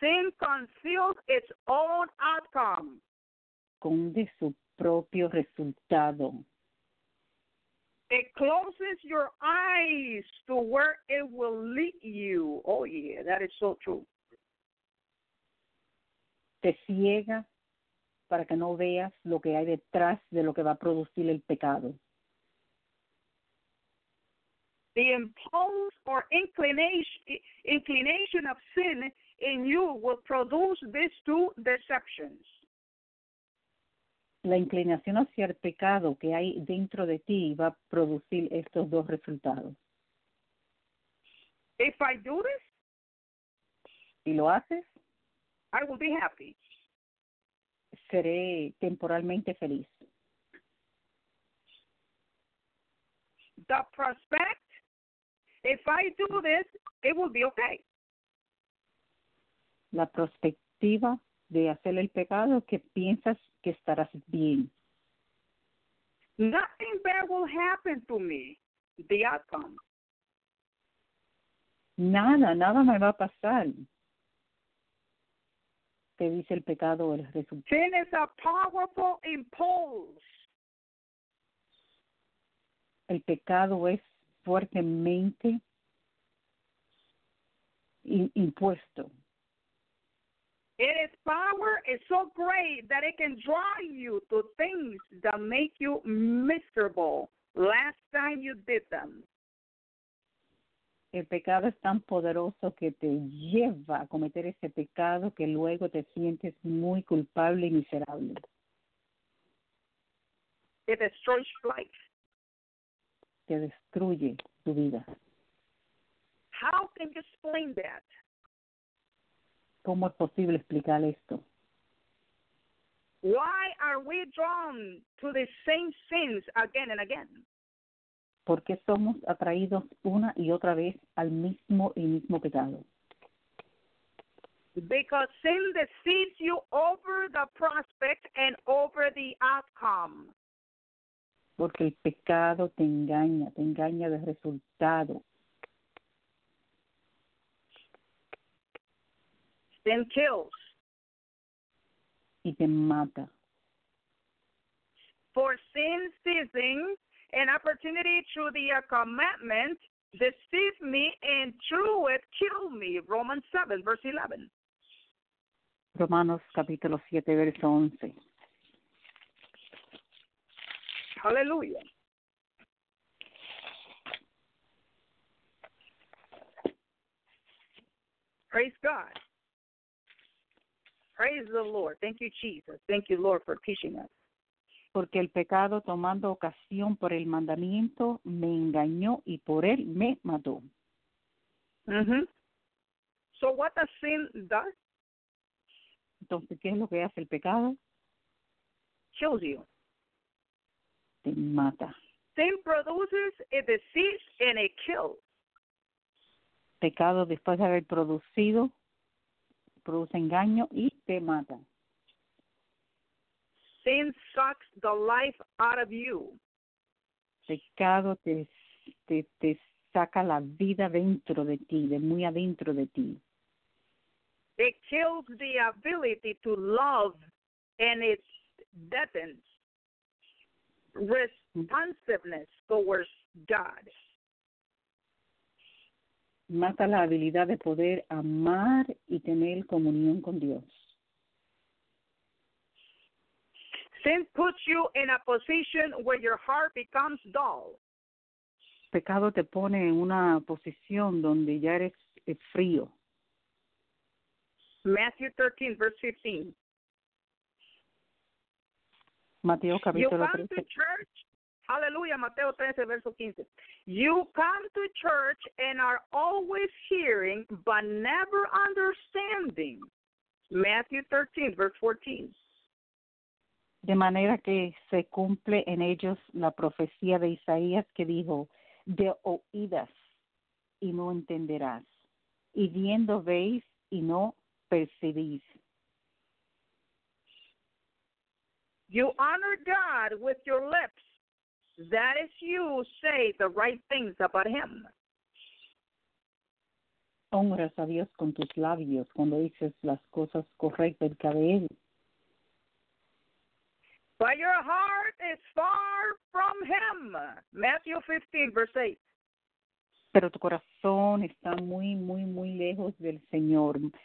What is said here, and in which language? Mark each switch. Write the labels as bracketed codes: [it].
[en] Sin conceals its own outcome. [es] Conde su propio resultado. [en] It closes your eyes to where it will lead you. Oh, yeah, that is so true. [es] Te ciega para que no veas lo que hay detrás de lo que va a producir el pecado. [en] The impulse or inclination of sin in you will produce these two deceptions. [es] La inclinación hacia el pecado que hay dentro de ti va a producir estos dos resultados. [en] If I do this, [es] si lo haces, [en] I will be happy. [es] Seré temporalmente feliz. [en] The prospect, if I do this, it will be okay. [es] la perspectiva de hacer el pecado que piensas que estarás bien. [en] Nothing bad will happen to me, the outcome. [es] Nada me va a pasar. Te dice el pecado, el resultado. [en] Sin is a powerful impulse. [es] El pecado es fuertemente impuesto. [en] It is power is so great that it can drive you to things that make you miserable last time you did them. [es] El pecado es tan poderoso que te lleva a cometer ese pecado que luego te sientes muy culpable y miserable. [en] It destroys life. [es] Te destruye tu vida. [en] How can you explain that? [es] ¿Cómo es posible explicar esto? [en] Why are we drawn to the same sins again and again? [es] ¿Por qué somos atraídos una y otra vez al mismo y mismo pecado? [en] Because sin deceives you over the prospect and over the outcome. [es] Porque el pecado te engaña del resultado. [en] Sin kills. [es] Y te mata. [en] For sin seizing an opportunity through the commandment deceive me and through it kill me. Romans 7, verse 11. [es] Romanos capítulo 7, verso 11. [en] Hallelujah. Praise God. Praise the Lord. Thank you, Jesus. Thank you, Lord, for teaching us. [es] Porque el pecado, tomando ocasión por el mandamiento, me engañó y por él me mató. [en] Mm-hmm. So what does sin do? [es] Entonces, ¿qué es lo que hace el pecado? [en] Kills you. [es] Te mata. [en] Sin produces a disease and it kills. [es] Pecado, después de haber producido, produce engaño y te mata. [en] Sin sucks the life out of you. [es] Pecado te saca la vida dentro de ti, de muy adentro de ti. [en] It kills the ability to love and it deadens responsiveness towards God. [es] Mata la habilidad de poder amar y tener comunión con Dios. [en] Sin puts you in a position where your heart becomes dull. [es] Pecado te pone en una posición donde ya eres frío. [en] Matthew 13, verse 15. [es] Mateo capítulo 13. [en] You come to church. Hallelujah, Mateo 13, verse 15. You come to church and are always hearing but never understanding. Matthew 13, verse 14. [es] De manera que se cumple en ellos la profecía de Isaías que dijo, de oídas y no entenderás, y viendo veis y no percibís. [en] You honor God with your lips. That is you say the right things about him. [es] Honras a Dios con tus labios cuando dices las cosas correctas de él. [en] But your heart is far from him. Matthew 15, verse 8. [es] Pero tu corazón está muy, muy, muy lejos del Señor.